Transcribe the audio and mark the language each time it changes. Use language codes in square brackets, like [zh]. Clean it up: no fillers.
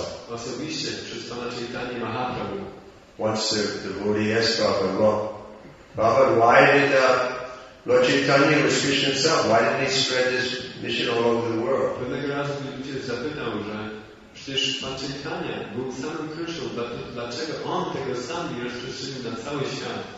[pl] Osobiście przez Pana Chaitanya Mahaprabhu. [en] Once the devotee asked Prabhupada, well, Prabhupada, why did Lord Chaitanya was Krishna himself? Why didn't he spread this mission all over the world? [pl] Pewnego razu mi ludzie zapytał, że przecież Pan Chaitanya był samym Krishną, dlaczego on tego sam nie rozprzestrzenił na cały świat?